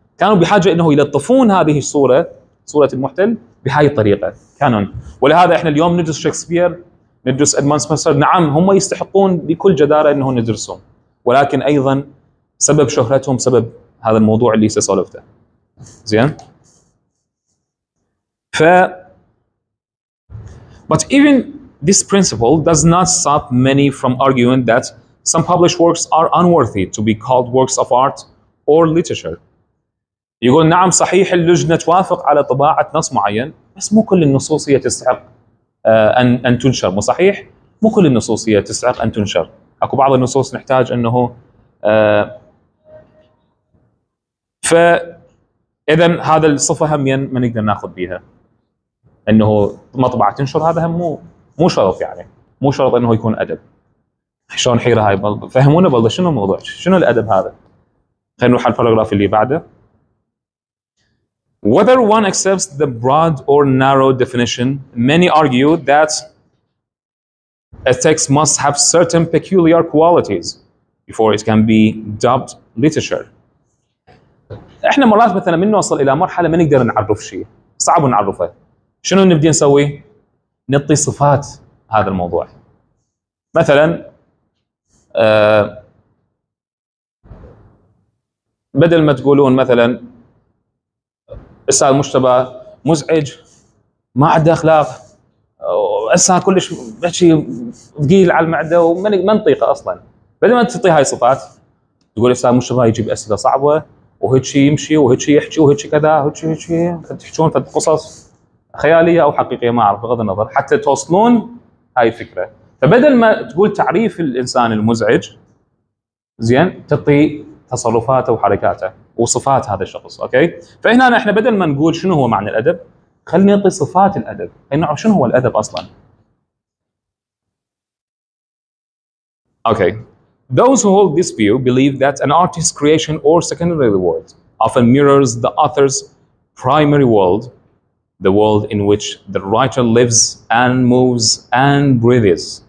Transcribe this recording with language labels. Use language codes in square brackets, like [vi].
[ar] كانوا بحاجة أنه يلطفون هذه الصورة، صورة المحتل، بهاي الطريقة كانون. ولهذا إحنا اليوم ندرس شكسبير، ندرس أدمان سبنسر، نعم هم يستحقون بكل جدارة أنه ندرسهم، ولكن أيضا سبب شهرتهم سبب هذا الموضوع اللي سأسولفته. [en] زين؟ But even this principle does not stop many from arguing that some published works are unworthy to be called works of art or literature. [ar] يقول نعم صحيح اللجنة توافق على طباعة نص معين، بس مو كل النصوص هي تستحق أن تنشر، مو صحيح؟ مو كل النصوص هي تستحق أن تنشر، أكو بعض النصوص نحتاج أنه فإذا هذا الصفة هم ما نقدر ناخذ بها، انه مطبعه تنشر هذا هم مو شرط، يعني مو شرط انه يكون ادب. شلون حيره هاي فهمونا بالله شنو الموضوع، شنو الادب هذا؟ خلينا نروح على الباراجراف اللي بعده. [en] Whether one accepts the broad or narrow definition, many argue that a text must have certain peculiar qualities before it can be dubbed literature. [ar] احنا مرات مثلا من نوصل الى مرحله ما نقدر نعرف شيء، صعب نعرفه، شنو نبدي نسوي؟ نعطي صفات هذا الموضوع. مثلا بدل ما تقولون مثلا استاذ مجتبى مزعج، ما عنده اخلاق، استاذ كلش شيء ثقيل على المعده وما منطقه اصلا، بدل ما تعطي هاي الصفات تقول استاذ مجتبى يجيب اسئله صعبه وهيك شيء يمشي وهيك شيء يحكي وهيك شيء كذا وهيك شيء هيك شيء، تحكون في قصص خياليه او حقيقيه ما اعرف بغض النظر، حتى توصلون هاي الفكرة. فبدل ما تقول تعريف الإنسان المزعج زين تعطي تصرفاته وحركاته وصفات هذا الشخص. أوكي فهنا إحنا بدل ما نقول شنو هو معنى الأدب خلني أعطي صفات الأدب، خلينا نعرف شنو هو الأدب أصلاً. [en] Okay Those who hold this view believe that an artist's creation or secondary world often mirrors the author's primary world, the world in which the writer lives and moves and breathes.